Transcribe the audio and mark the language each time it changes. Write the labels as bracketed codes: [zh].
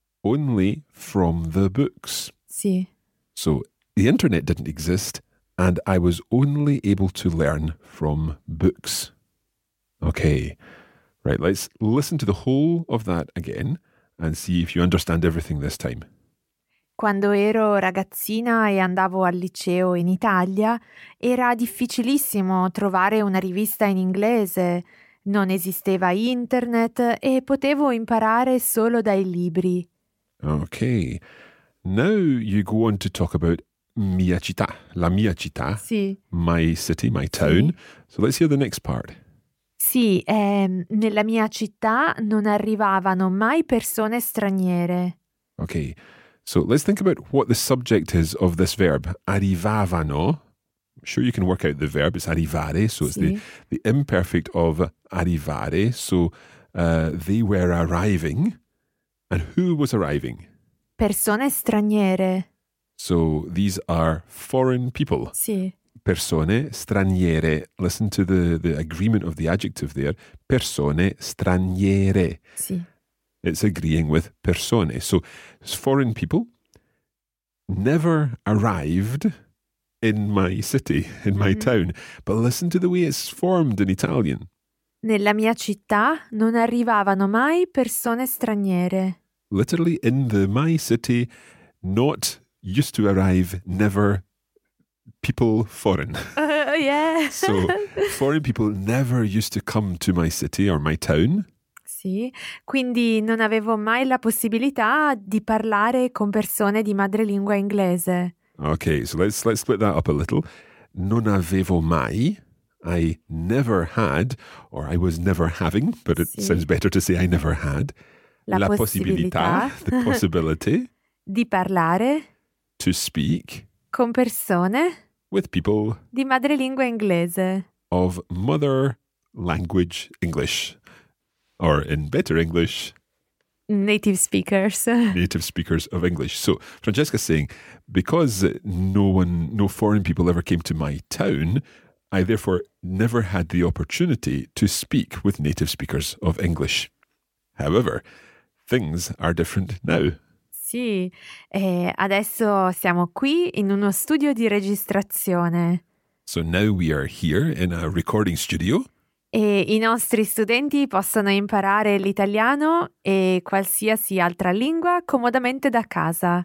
[en] only from the books. [it] Sì. [en] So the internet didn't exist, and I was only able to learn from books. Okay, right, let's listen to the whole of that again and see if you understand everything this time. [it] Quando ero ragazzina e andavo al liceo in Italia, era difficilissimo trovare una rivista in inglese. Non esisteva internet e potevo imparare solo dai libri. [en] Okay, now you go on to talk about [it] mia città, la mia città, Sì. [en] my city, my town. [it] Sì. [en] So let's hear the next part. [it] Sì, nella mia città non arrivavano mai persone straniere. [en] Okay, so let's think about what the subject is of this verb. [it] Arrivavano. [en] I'm sure you can work out the verb. It's arrivare, so it's Sì. the imperfect of arrivare. So they were arriving, and who was arriving? [it] Persone straniere. [en] So these are foreign people. [it] Sì. Persone straniere. [en] Listen to the agreement of the adjective there. [it] Persone straniere. Sì. [en] It's agreeing with persone. So foreign people never arrived in my city, in my town. But listen to the way it's formed in Italian. [it] Nella mia città non arrivavano mai persone straniere. [en] Literally, in the my city, not used to arrive, never, people foreign. Yeah. So, foreign people never used to come to my city or my town. [it] Sì, quindi non avevo mai la possibilità di parlare con persone di madrelingua inglese. [en] Okay, so let's split that up a little. [it] Non avevo mai, [en] I never had, or I was never having, but it sounds better to say I never had, [it] la possibilità, [en] the possibility, [it] di parlare, [en] to speak, [it] con persone, [en] with people, [it] di madrelingua inglese, [en] of mother language English, or in better English, native speakers. Native speakers of English. So Francesca's saying, because no foreign people ever came to my town, I therefore never had the opportunity to speak with native speakers of English. However, things are different now. [it] Sì, adesso siamo qui in uno studio di registrazione. [en] So now we are here in a recording studio. [it] E I nostri studenti possono imparare l'italiano e qualsiasi altra lingua comodamente da casa.